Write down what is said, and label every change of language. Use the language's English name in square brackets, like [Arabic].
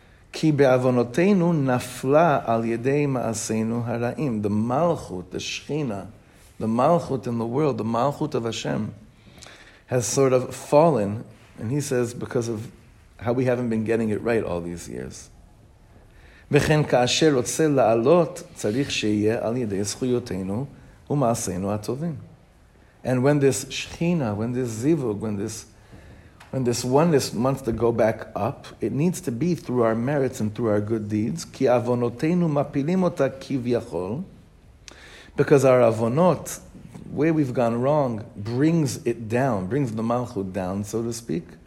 [Hebrew] Ki be'avonoteinu nafla al yedei ma'asenu ha-ra'im. [English] The malchut, the shechina, the malchut in the world, the malchut of Hashem, has sort of fallen. And he says, because of how we haven't been getting it right all these years. [Hebrew] וכן כאשר רוצה לעלות, צריך שיהיה על ידי זכויותינו ומעשינו הטובים. [English] And when this Shechina, when this Zivug, when this oneness wants to go back up, it needs to be through our merits and through our good deeds. [Hebrew] Ki avonoteinu mapilim ota kivyachol. [English] Because our avonot, where we've gone wrong, brings it down, brings the malchut down, so to speak.